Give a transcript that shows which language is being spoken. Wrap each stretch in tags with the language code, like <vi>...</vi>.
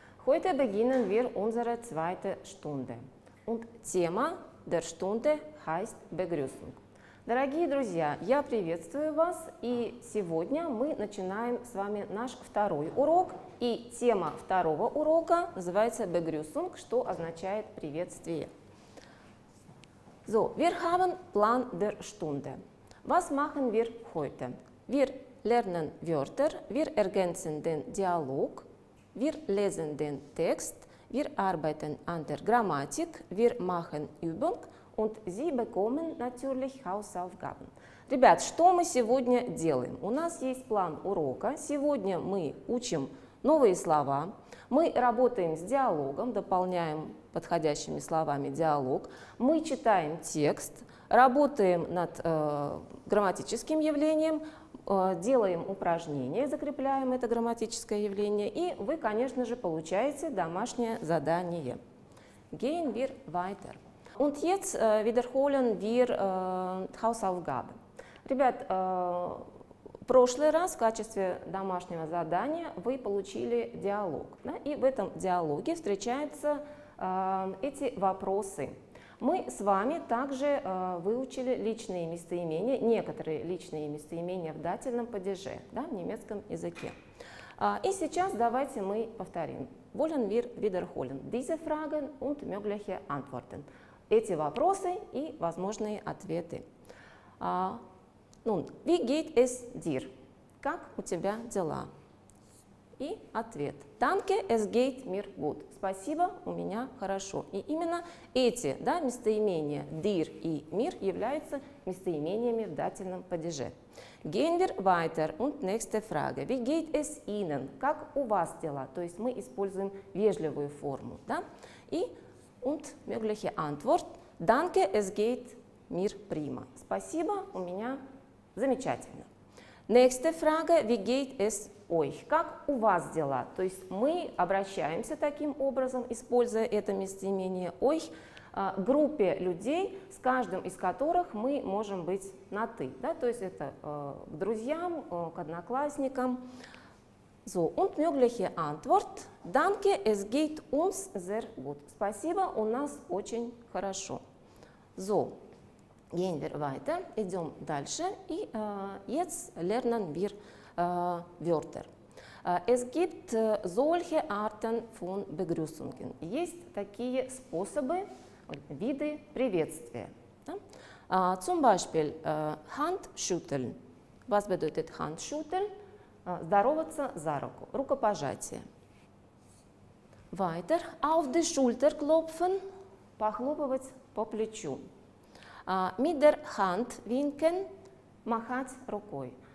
<de>Heute beginnen wir unsere zweite Stunde. Und Thema der Stunde heißt Begrüßung.</de> <ru>Дорогие друзья, я приветствую вас, и сегодня мы начинаем с вами наш второй урок, и тема второго урока называется Begrüßung, что означает приветствие.</ru> <de>So, wir haben Plan der Stunde. Was machen wir heute? Wir lernen Wörter, wir ergänzen den Dialog, wir lesen den Text, wir arbeiten an der Grammatik, wir machen Übung und Sie bekommen natürlich Hausaufgaben.</de> <ru>Ребят, что мы сегодня делаем? У нас есть план урока. Сегодня мы учим новые слова. Мы работаем с диалогом, дополняем подходящими словами диалог. Мы читаем текст, работаем над грамматическим явлением, делаем упражнения, закрепляем это грамматическое явление. И вы, конечно же, получаете домашнее задание.</ru> <de>Gehen wir weiter. Und jetzt wiederholen wir Hausaufgabe.</de> <ru>Ребят, в прошлый раз в качестве домашнего задания вы получили диалог. Да? И в этом диалоге встречаются эти вопросы. Мы с вами также выучили личные местоимения, некоторые личные местоимения в дательном падеже, да, в немецком языке. И сейчас давайте мы повторим.</ru> <de>Wollen wir wiederholen diese Fragen und mögliche Antworten.</de> <ru>Эти вопросы и возможные ответы.</ru> <de>Nun, wie geht es dir?</de> <ru>Как у тебя дела? И ответ.</ru> <de>Danke, es geht mir gut.</de> <ru>Спасибо, у меня хорошо. И именно эти, да, местоимения dir и mir являются местоимениями в дательном падеже.</ru> <de>Gehen wir weiter und nächste Frage. Wie geht es Ihnen?</de> <ru>Как у вас дела? То есть мы используем вежливую форму. Да? И</ru> <de>und mögliche Antwort. Danke, es geht mir prima.</de> <ru>Спасибо, у меня замечательно.</ru> <de>Nächste Frage, wie geht es euch?</de> <ru>Как у вас дела? То есть мы обращаемся таким образом, используя это местоимение euch, к группе людей, с каждым из которых мы можем быть на ты. Да? То есть это к друзьям, к одноклассникам.</ru> <de>So, und mögliche Antwort. Danke, es geht uns sehr gut.</de> <ru>Спасибо, у нас очень хорошо.</ru> <de>So. Gehen wir weiter.</de> <ru>Идем дальше. И</ru> <de>jetzt lernen wir Wörter. Es gibt solche Arten von Begrüßungen.</de> <ru>Есть такие способы, виды приветствия. Да?</ru> <de>Zum Beispiel Handschütteln. Was bedeutet Handschütteln?</de> <ru>Здороваться за руку. Рукопожатие.</ru> <de>Weiter. Auf die Schulter klopfen.</de> <ru>Похлопывать по плечу.</ru> <de>Mit der Hand winken,</de> <ru>махать рукой.</ru>